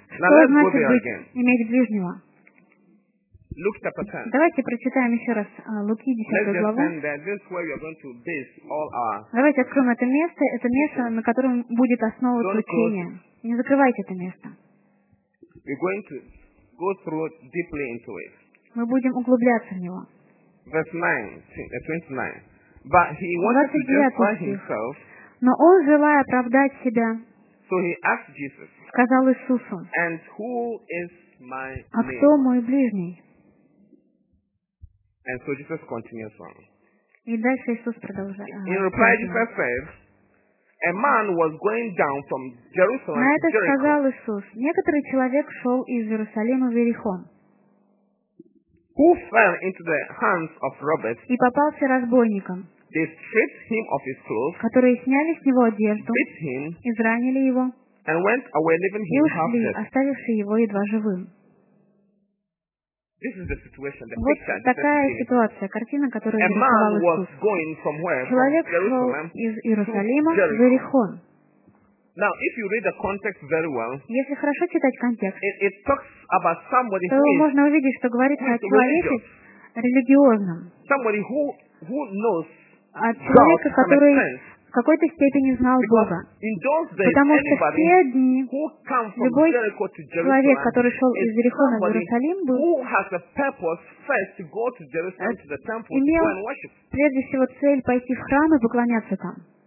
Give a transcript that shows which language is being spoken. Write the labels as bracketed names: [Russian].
[Russian] Now что значит быть, иметь ближнего. [English] Luke chapter 10. [Russian] Давайте прочитаем еще раз Луки 10 главу. Давайте откроем это место, на котором будет основа учения. Не закрывайте это место. [English] We're going to go through deeply into it. [Russian] Мы будем углубляться в него. [English] Verse 29. But he wanted to justify himself. [Russian] Но он, желая оправдать себя, [English] so he asked Jesus, [Russian] сказал Иисусу, [English] and who is my [Russian] а кто мой ближний? [English] And so Jesus continues on. [Russian] И дальше Иисус продолжает. [English] In reply, Jesus said, a man was going down from Jerusalem [Russian] на это [English] to Jericho. [Russian] Сказал Иисус, некоторый человек шел из Иерусалима в Иерихон. [English] Who fell into the hands of robbers? [Russian] И попался разбойникам. [English] They stripped him of his clothes. [Russian] Которые сняли с него одежду. [English] Beat him. [Russian] Изранили его. [English] And went away, leaving him half dead. [Russian] И ушли, оставивши его едва живым. [English] This is the situation. The [Russian] вот такая ситуация, картина, которую я рисовал. [English] A man was going from where? [Russian] Человек шел из Иерусалима в Иерихон. [English] Now, if you read the context very well, [Russian] если хорошо читать контекст, [English] it talks about somebody [Russian] то [English] who [Russian] можно [English] is, [Russian] увидеть, что говорит о человеке религиозном. [English] Somebody who knows [Russian] о человеке, который в какой-то степени знал Бога. Потому что в те дни любой человек, который шел из Иерихона в Иерусалим, имел прежде всего цель пойти в храм и поклоняться там.